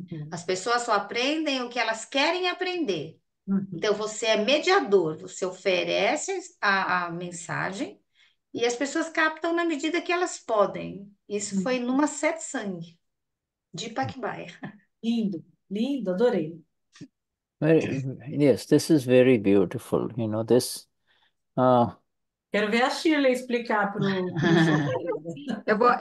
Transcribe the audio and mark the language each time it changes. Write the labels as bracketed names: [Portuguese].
[Portuguese] As pessoas só aprendem o que elas querem aprender. Então, você é mediador, você oferece a mensagem e as pessoas captam na medida que elas podem. Isso foi numa sete sangue, de Deepak Bhai. Lindo, lindo, adorei. [English] Yes, this is very beautiful, you know, this [Portuguese] Quero ver a Shirley explicar para o João.